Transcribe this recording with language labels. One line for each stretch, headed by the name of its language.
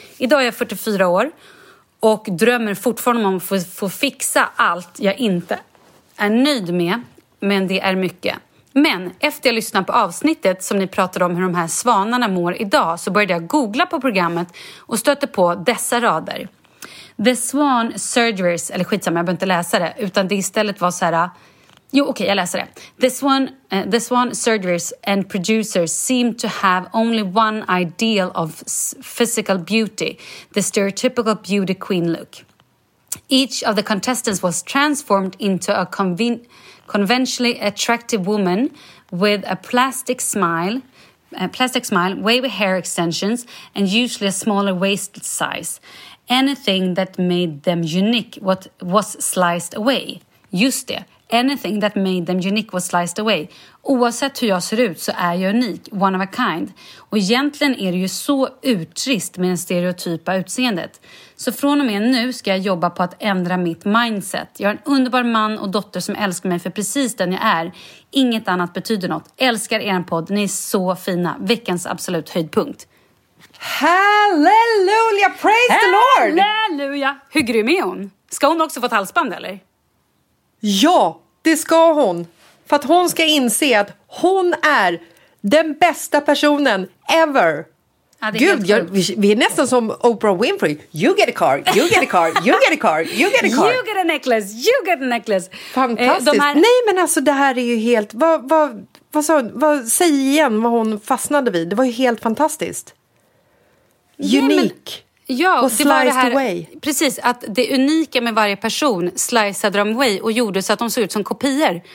Swedish: Idag är jag 44 år och drömmer fortfarande om att få fixa allt jag inte är nöjd med. Men det är mycket. Men efter jag lyssnade på avsnittet som ni pratade om hur de här svanarna mår idag, så började jag googla på programmet och stötte på dessa rader. The Swan Surgeries, eller skitsamma, jag behöver inte läsa det, utan det istället var så här. Jo, okej, okay, jag läser det.
English: The Swan Surgeries and producers seem to have only one ideal of physical beauty, the stereotypical beauty queen look. Each of the contestants was transformed into a conventionally attractive woman with a plastic smile, wavy hair extensions, and usually a smaller waist size. Anything that made them unique was sliced away.
Swedish: Just det.
English: Anything that made them unique was sliced away.
Swedish: Oavsett hur jag ser ut så är jag unik,
English: one of a kind.
Swedish: Och egentligen är det ju så uttrist med den stereotypa utseendet. Så från och med nu ska jag jobba på att ändra mitt mindset. Jag är en underbar man och dotter som älskar mig för precis den jag är. Inget annat betyder något. Älskar er podd, ni är så fina. Veckans absolut höjdpunkt.
English: Halleluja, praise the Lord!
Swedish: Halleluja! Hur grym är hon? Ska hon också få ett halsband eller? Ja, det ska hon. För att hon ska inse att hon är den bästa personen ever. Ja, gud, vi är nästan som Oprah Winfrey.
English: You get a car, you get a car, you get a car, you get a car. You get a necklace, you get a necklace.
Swedish: Fantastiskt. Nej, men alltså det här är ju helt... Vad säg igen vad hon fastnade vid. Det var ju helt fantastiskt.
English: Unique.
Swedish: Ja, och det var det här, precis, att det unika med varje person sliceade dem away och gjorde så att de såg ut som kopior.